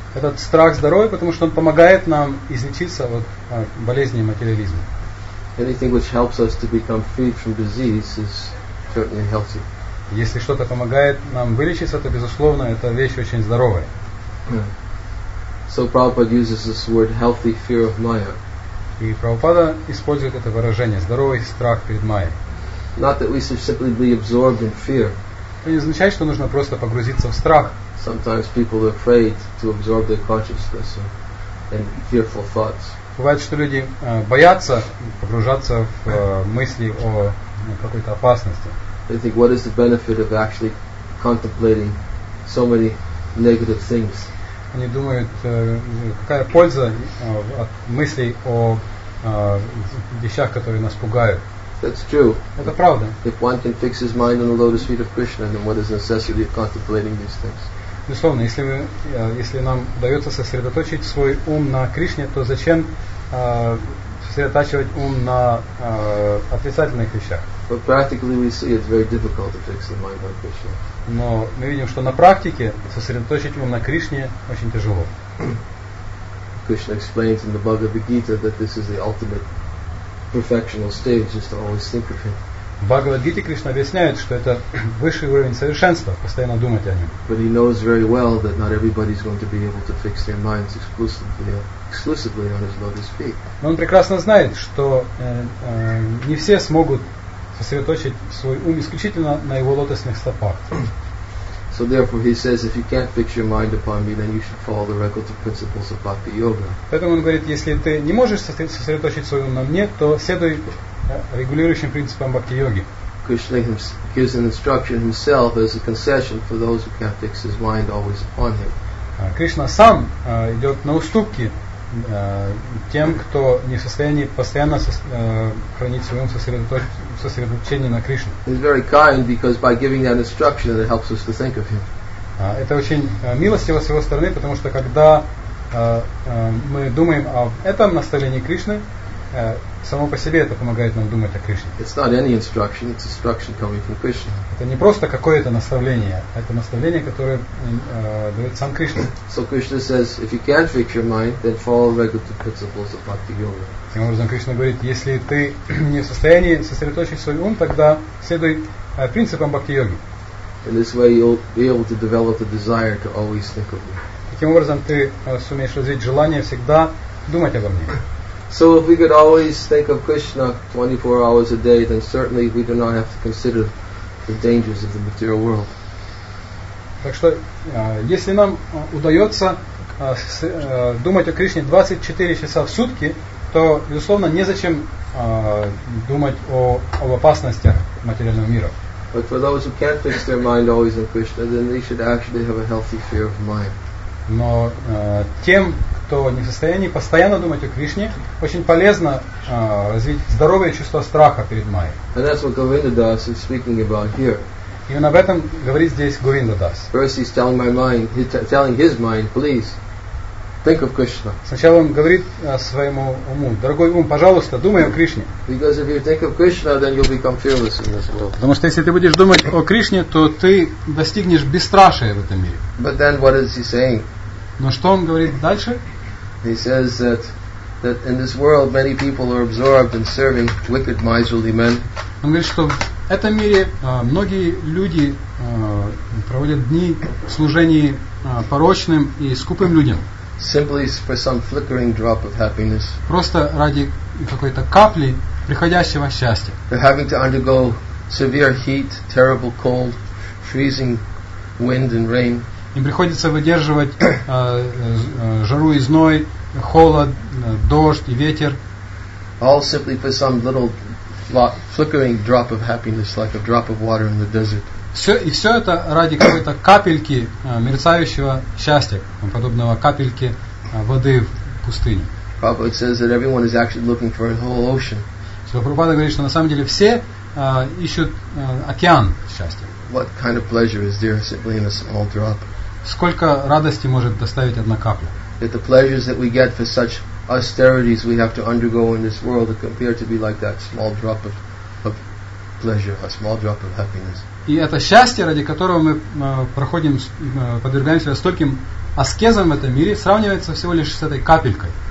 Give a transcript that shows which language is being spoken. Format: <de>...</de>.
<ru>Этот страх здоровый, потому что он помогает нам излечиться от болезни материализма.</ru> <en>Anything which helps us to become free from disease is certainly healthy.</en> <ru>Если что-то помогает нам вылечиться, то безусловно, это вещь очень здоровая.</ru> <en>So Prabhupada uses this word healthy fear of Maya.</en> <ru>И Прабхупада использует это выражение «здоровый страх перед майей».</ru> <en>Not that we should simply be absorbed in fear.</en> <ru>Это не означает, что нужно просто погрузиться в страх.</ru> <en>Sometimes people are afraid to absorb their consciousness and fearful thoughts.</en> <ru>Бывает, что люди боятся погружаться в мысли о какой-то опасности.</ru> <en>They think, what is the benefit of actually contemplating so many negative things?</en> <ru>Они думают, какая польза от мыслей о вещах, которые нас пугают.</ru> <en>That's true.</en> <ru>Это правда.</ru> <en>If one can fix his mind on the lotus feet of Krishna, then what is the necessity of contemplating these things?</en> <ru>Безусловно, если нам удается сосредоточить свой ум на Кришне, то зачем сосредотачивать ум на отрицательных вещах?</ru> <en>But practically we see it's very difficult to fix the mind on Krishna.</en> <ru>Но мы видим, что на практике сосредоточить ум на Кришне очень тяжело.</ru> <en>Krishna explains in the Bhagavad Gita that this is the ultimate perfectional stage, just to always think of him.</en> <ru>В Бхагавад-гите Кришна объясняет, что это высший уровень совершенства, постоянно думать о нем.</ru> <en>But he knows very well that not everybody's going to be able to fix their minds exclusively on his lotus feet.</en> <ru>Но он прекрасно знает, что не все смогут сосредоточить свой ум исключительно на его лотосных стопах.</ru> <en>So therefore he says, if you can't fix your mind upon me, then you should follow the regulative principles of Bhakti Yoga.</en> <ru>Поэтому он говорит, если ты не можешь сосредоточить свой ум на мне, то следуй регулирующим принципам Бхакти-йоги.</ru> <en>Krishna gives an instruction himself as a concession for those who can't fix his mind always upon him.</en> <ru>Кришна сам идет на уступки тем, кто не в состоянии постоянно хранить свое сосредоточение на Кришне.</ru> <en>He's very kind because by giving that instruction it helps us to think of him.</en> <ru>Это очень милостиво с его стороны, потому что когда мы думаем об этом наставлении Кришны, само по себе это помогает нам думать о Кришне.</ru> <en>It's not any instruction, it's instruction coming from Krishna.</en> <ru>Это не просто какое-то наставление, это наставление, которое дает сам Кришна.</ru> <en>So Krishna says, if you can't fix your mind, then follow regulative principles of Bhakti Yoga.</en> <ru>Таким образом, Кришна говорит, если ты не в состоянии сосредоточить свой ум, тогда следуй принципам Бхакти Йоги.</ru> <en>In this way you'll be able to develop the desire to always think of me.</en> <ru>Таким образом, ты сумеешь развить желание всегда думать обо мне.</ru> <en>So if we could always think of Krishna 24 hours a day, then certainly we do not have to consider the dangers of the material world.</en> <ru>Так что, если нам удается думать о Кришне 24 часа в сутки, то, безусловно, незачем думать об опасностях материального мира.</ru> <en>But for those who can't fix their mind always on Krishna, then they should actually have a healthy fear of mind.</en> <ru>Но тем, кто не в состоянии постоянно думать о Кришне, очень полезно развить здоровое чувство страха перед майей.</ru> <en>And that's what Govinda Das is speaking about here.</en> <ru>Именно об этом говорит здесь Govinda Das.</ru> <en>First he's telling my mind, he's telling his mind, please think of Krishna.</en> <ru>Сначала он говорит своему уму: дорогой ум, пожалуйста, думай о Кришне.</ru> <en>Because if you think of Krishna, then you'll become fearless in this world.</en> <ru>Потому что если ты будешь думать о Кришне, то ты достигнешь бесстрашия в этом мире.</ru> <en>But then what is he saying?</en> <ru>Но что он говорит дальше?</ru> <en>He says that in this world many people are absorbed in serving wicked miserly men.</en> <ru>Он говорит, что в этом мире многие люди проводят дни в служении порочным и скупым людям.</ru> <en>Simply for some flickering drop of happiness.</en> <ru>Просто ради какой-то капли приходящего счастья.</ru> <en>They're having to undergo severe heat, terrible cold, freezing wind and rain.</en> <ru>Им приходится выдерживать жару и зной, холод, дождь и ветер.</ru> <en>All simply for some little flickering drop of happiness, like a drop of water in the desert.</en> <ru>Все это ради какой-то капельки мерцающего счастья, подобного капельки воды в пустыне.</ru> <en>Prabhupada says that everyone is actually looking for a whole ocean.</en> <ru>Прабхупада говорит, что на самом деле все ищут океан счастья.</ru> <en>What kind of pleasure is there simply in a small drop?</en> <ru>Сколько радости может доставить одна капля?</ru> <en>If the pleasures that we get for such austerities we have to undergo in this world are compared to be like that small drop of pleasure, a small drop of happiness.</en> <ru>И это счастье, ради которого мы проходим, подвергаемся стольким аскезам в этом мире, сравнивается всего лишь с этой капелькой.</ru>